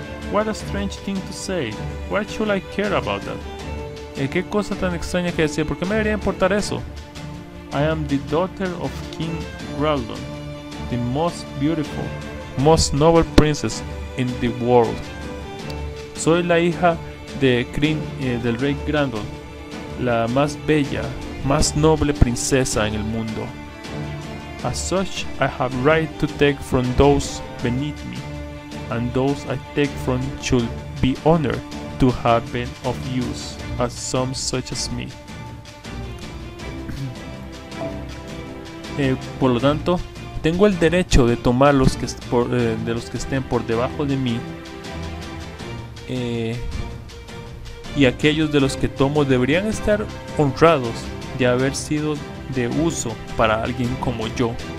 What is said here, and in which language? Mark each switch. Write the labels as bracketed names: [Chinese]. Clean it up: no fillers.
[English] What a strange thing to say. Why should I care about that? [Spanish] ¿Qué cosa tan extraña que decir? ¿Por qué me debería importar eso? [English] I am the daughter of King Raldon, the most beautiful, most noble princess in the world. [Spanish] Soy la hija de Kryn, del rey Grandon, la más bella, más noble princesa en el mundo. [English] As such, I have right to take from those beneath me, and those I take from should be honored to have been of use as some such as me. [Spanish] Por lo tanto, tengo el derecho de tomar los que de los que estén por debajo de mí, y aquellos de los que tomo deberían estar honrados de haber sido de uso para alguien como yo.